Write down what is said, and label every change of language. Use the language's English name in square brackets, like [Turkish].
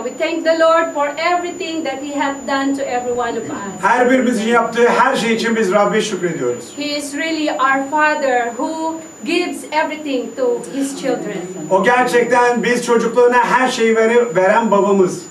[English] We thank the Lord for everything that He has done to every one of us. [Turkish] Her birimizin yaptığı her şey için biz Rabbi şükrediyoruz. [English] He is really our Father who gives everything to His children. [Turkish] O gerçekten biz çocuklarına her şeyi veren babamız.